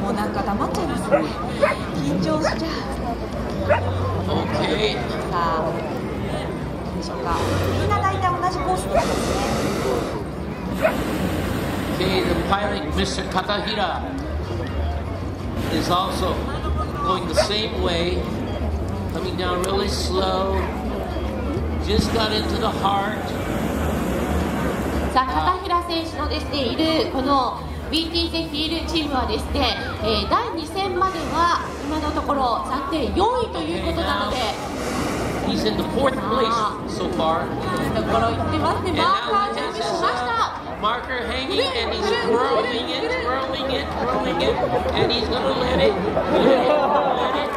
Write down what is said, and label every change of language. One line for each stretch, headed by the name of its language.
Japanese: もうなんか黙っちゃいますね緊張しちゃう
English: OK
Japanese: さあどうでしょうかみんな大体同じコースですね
English: Okay, the pilot, Mr. Katahira, is also going the same way, coming down really slow, just got into the heart.
Japanese: さあ、Katahira 選手のですね、いるこの BTZ フィールチームはですね、第2戦までは今のところ暫定4位ということなので。
English: Okay, now, he's in the fourth place so far.
Japanese: だから行ってますね、マーカー準備しました。
English: Marker hanging and he's twirling it, twirling it, twirling it, and he's gonna let it, let it, let it.